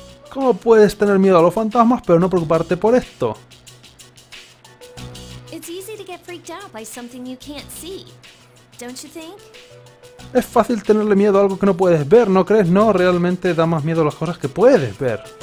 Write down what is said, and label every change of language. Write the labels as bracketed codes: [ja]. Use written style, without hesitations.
[es] ¿Cómo puedes tener miedo a los fantasmas pero no preocuparte por esto? [en] It's easy to get freaked out by something you can't see, don't you think? [es] Es fácil tenerle miedo a algo que no puedes ver, ¿no crees? No, realmente da más miedo a las cosas que puedes ver.